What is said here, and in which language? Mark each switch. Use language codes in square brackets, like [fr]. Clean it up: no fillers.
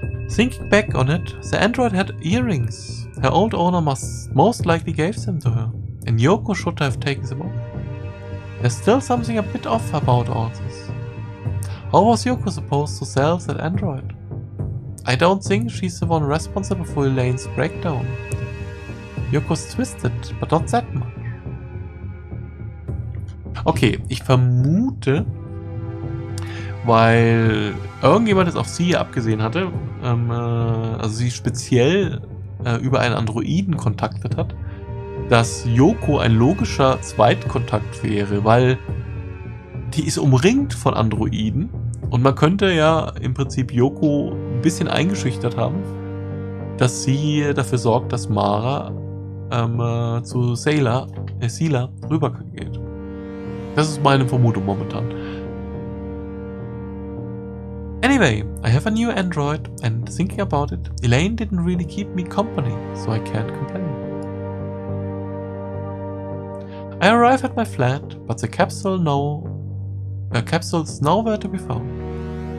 [en] Thinking back on it, the android had earrings. Her old owner most likely gave them to her, and Yoko should have taken them off. There's still something a bit off about all this. How was Yoko supposed to sell that android? I don't think she's the one responsible for Elaine's breakdown. Yoko's twisted, but not that much. [de] Okay, ich vermute, weil irgendjemand es auf sie abgesehen hatte, also sie speziell über einen Androiden kontaktet hat, dass Yoko ein logischer Zweitkontakt wäre, weil die ist umringt von Androiden und man könnte ja im Prinzip Yoko ein bisschen eingeschüchtert haben, dass sie dafür sorgt, dass Mara zu Sela rübergeht. Das ist meine Vermutung momentan. [en] Anyway, I have a new android and thinking about it, Elaine didn't really keep me company, so I can't complain. I arrive at my flat, but the capsule's nowhere to be found.